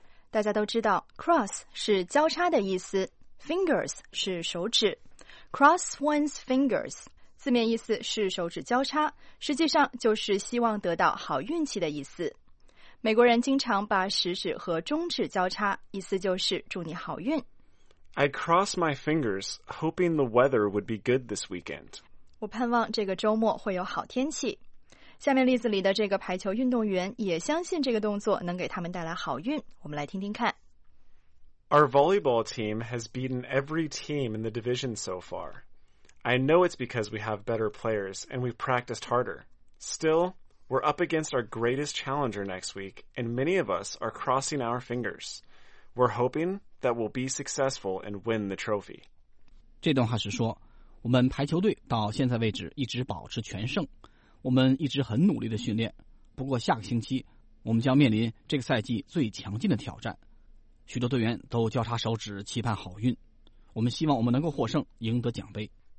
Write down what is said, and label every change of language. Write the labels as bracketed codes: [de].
[zh] 大家都知道 cross 是交叉的意思， fingers 是手指。 Cross one's fingers 字面意思是手指交叉，实际上就是希望得到好运气的意思。美国人经常把食指和中指交叉，意思就是祝你好运。 [en] I cross my fingers, hoping the weather would be good this weekend. [zh] 我盼望这个周末会有好天气。下面例子里的这个排球运动员也相信这个动作能给他们带来好运，我们来听听看。 [en] Our volleyball team has beaten every team in the division so far. I know it's because we have better players and we've practiced harder. Still... We're up against our greatest challenger next week, and many of us are crossing our fingers. We're hoping that we'll be successful and win the trophy. [zh] 这段话是说，我们排球队到现在为止一直保持全胜，我们一直很努力的训练，不过下个星期我们将面临这个赛季最强劲的挑战。许多队员都交叉手指期盼好运，我们希望我们能够获胜，赢得奖杯。